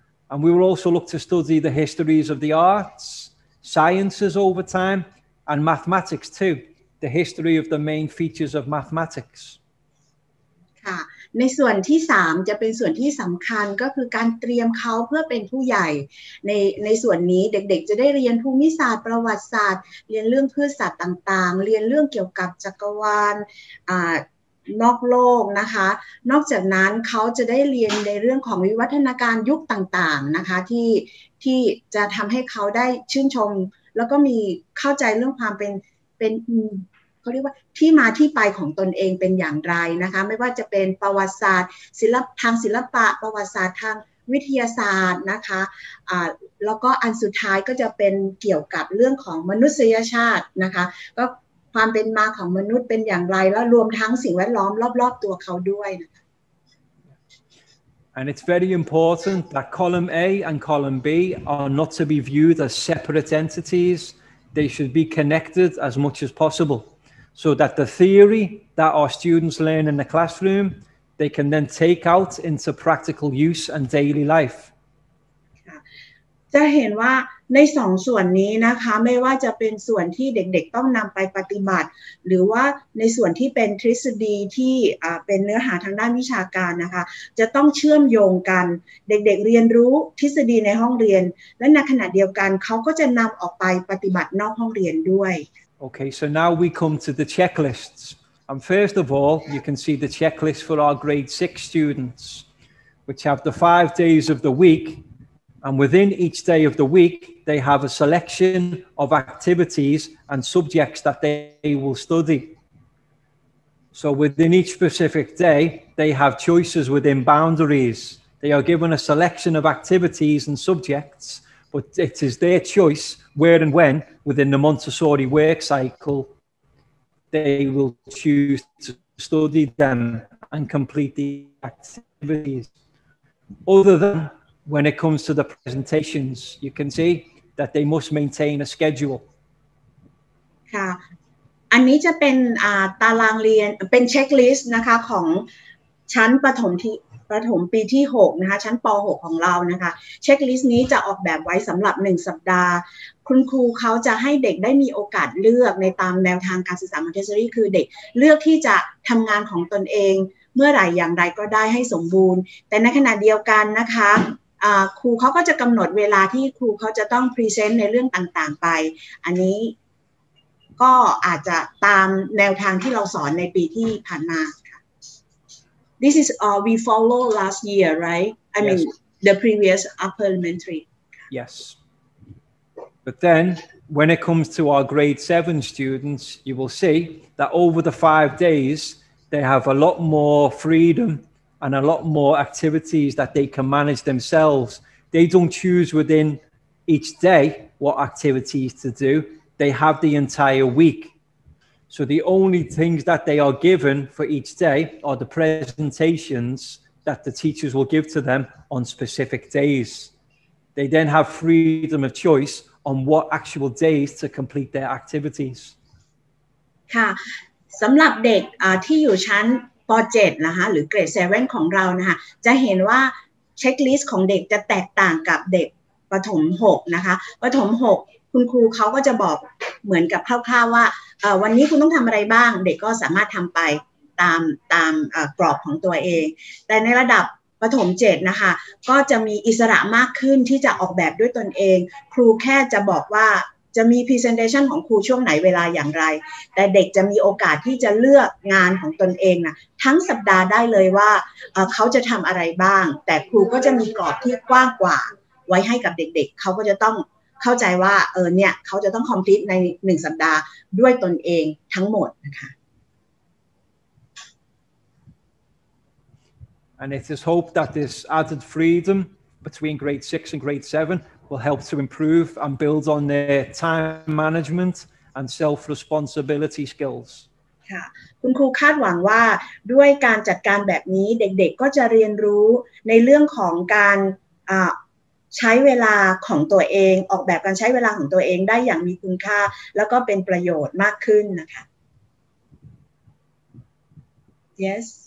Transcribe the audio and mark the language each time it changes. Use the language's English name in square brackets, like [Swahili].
[English] And we will also look to study the histories of the arts, sciences over time, and mathematics too, the history of the main features of mathematics. Ah. [Thai] ในส่วนที่3จะเป็นส่วนที่สำคัญก็คือการเตรียมเขาเพื่อเป็นผู้ใหญ่ในส่วนนี้เด็กๆจะได้เรียนภูมิศาสตร์ประวัติศาสตร์เรียนเรื่องพืชศาสตร์ต่างๆเรียนเรื่องเกี่ยวกับจักรวาลนอกโลกนะคะนอกจากนั้นเขาจะได้เรียนในเรื่องของวิวัฒนาการยุคต่างๆนะคะที่จะทำให้เขาได้ชื่นชมแล้วก็มีเข้าใจเรื่องความเป็น เขาเรียกว่าที่มาที่ไปของตนเองเป็นอย่างไรนะคะไม่ว่าจะเป็นประวัติศาสตร์ศิลปทางศิลปะประวัติศาสตร์ทางวิทยาศาสตร์นะคะแล้วก็อันสุดท้ายก็จะเป็นเกี่ยวกับเรื่องของมนุษยชาตินะคะก็ความเป็นมาของมนุษย์เป็นอย่างไรแล้วรวมทั้งสิ่งแวดล้อมรอบๆตัวเขาด้วยนะคะ [English] And it's very important that column A and column B are not to be viewed as separate entities they should be connected as much as possibleso that the theory that our students learn in the classroom, they can then take out into practical use and daily life. [Thai] จะเห็นว่าในสองส่วนนี้นะคะไม่ว่าจะเป็นส่วนที่เด็กๆต้องนำไปปฏิบัติหรือว่าในส่วนที่เป็นทฤษฎีที่เป็นเนื้อหาทางด้านวิชาการนะคะจะต้องเชื่อมโยงกันเด็กๆเรียนรู้ทฤษฎีในห้องเรียนและในขณะเดียวกันเขาก็จะนำออกไปปฏิบัตินอกห้องเรียนด้วย [English] Okay, so now we come to the checklists. And first of all, you can see the checklist for our grade 6 students, which have the 5 days of the week. And within each day of the week, they have a selection of activities and subjects that they will study. So within each specific day, they have choices within boundaries. They are given a selection of activities and subjects, but it is their choice where and when. Within the Montessori work cycle, they will choose to study them and complete the activities. Other than when it comes to the presentations, you can see that they must maintain a schedule. [Thai] ค่ะ อันนี้จะเป็นตารางเรียนเป็นเช็คลิสต์นะคะของชั้นประถมปีที่6นะคะชั้นป.6ของเรานะคะเช็คลิสต์นี้จะออกแบบไว้สำหรับ1สัปดาห์คุณครูเขาจะให้เด็กได้มีโอกาสเลือกในตามแนวทางการศึกษามอนเตสซอรี่คือเด็กเลือกที่จะทำงานของตนเองเมื่อไหร่อย่างไรก็ได้ให้สมบูรณ์แต่ในขณะเดียวกันนะคะ ครูเขาก็จะกำหนดเวลาที่ครูเขาจะต้องพรีเซนต์ในเรื่องต่างๆไปอันนี้ก็อาจจะตามแนวทางที่เราสอนในปีที่ผ่านมา [English] This is we followed last year, right? I mean, the previous upper elementary. Yes. But then, when it comes to our grade 7 students, you will see that over the 5 days, they have a lot more freedom and a lot more activities that they can manage themselves. They don't choose within each day what activities to do. They have the entire week. So the only things that they are given for each day are the presentations that the teachers will give to them on specific days. They then have freedom of choice on what actual days to complete their activities. [Thai] ค่ะสำหรับเด็กที่อยู่ชั้นป.7นะคะหรือเกรด7ของเรานะคะจะเห็นว่าเช็คลิสต์ของเด็กจะแตกต่างกับเด็กประถม6นะคะประถม6คุณครูเขาก็จะบอกเหมือนกับคร่าวๆว่าวันนี้คุณต้องทำอะไรบ้างเด็กก็สามารถทำไป ตามกรอบของตัวเองแต่ในระดับประถม7นะคะก็จะมีอิสระมากขึ้นที่จะออกแบบด้วยตนเองครูแค่จะบอกว่าจะมี presentation ของครูช่วงไหนเวลาอย่างไรแต่เด็กจะมีโอกาสที่จะเลือกงานของตนเองนะทั้งสัปดาห์ได้เลยว่าเขาจะทำอะไรบ้างแต่ครูก็จะมีกรอบที่กว้างกว่าไว้ให้กับเด็กๆเขาก็จะต้อง ข้าใจว่าเออเนี่ยเขาจะต้องคอมพลีทใน1สัปดาห์ด้วยตนเองทั้งหมดนะคะ [English] And it is hoped that this added freedom between grade 6 and grade 7 will help to improve and build on their time management and self-responsibility skills [Thai] ค่ะคุณครูคาดหวังว่าด้วยการจัดการแบบนี้เด็กๆก็จะเรียนรู้ในเรื่องของการใช้เวลาของตัวเองออกแบบการใช้เวลาของตัวเองได้อย่างมีคุณค่าแล้วก็เป็นประโยชน์มากขึ้นนะคะ Yes